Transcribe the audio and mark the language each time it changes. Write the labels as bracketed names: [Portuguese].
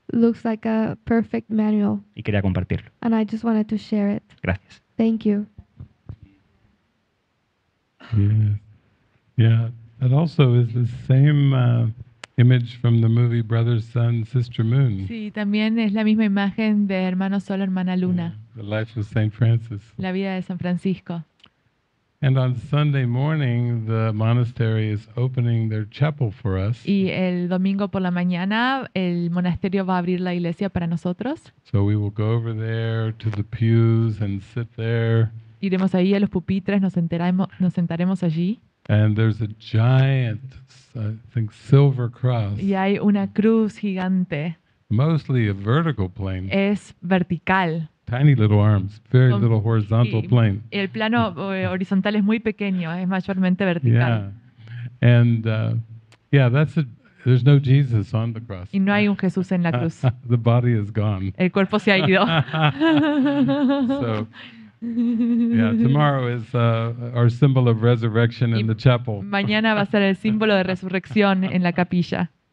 [English] Looks like a perfect manual. [Spanish] Y quería compartirlo. [English] And I just wanted to share it. [Spanish] Gracias. [English] Thank you. Yeah, that also is the same image from the movie Brothers, Sun, Sister Moon. [Spanish] Sí, también es la misma imagen de Hermano Sol, Hermana Luna. [English] Yeah, the life of Saint Francis. [Spanish] La vida de San Francisco. [English] And on Sunday morning, the monastery is opening their chapel for us. [Spanish] Y el domingo por la mañana, el monasterio va a abrir la iglesia para nosotros. [English] So we will go over there to the pews and sit there. [Spanish] Iremos ahí a los pupitres, nos sentaremos allí. [English] And there's a giant, I think, silver cross. [Spanish] Y hay una cruz gigante. [English] Mostly a vertical plane. [Spanish] Es vertical. [English] Tiny little arms, very little horizontal plane. [Spanish] Y el plano horizontal es muy pequeño, es mayormente vertical. [English] Yeah. And there's no Jesus on the cross. [Spanish] Y no hay un Jesús en la cruz. [English] The body is gone. [Spanish] El cuerpo se ha ido. [English] So, yeah, tomorrow is our symbol of resurrection in the chapel. [Spanish] Mañana va a ser el símbolo de resurrección en la capilla.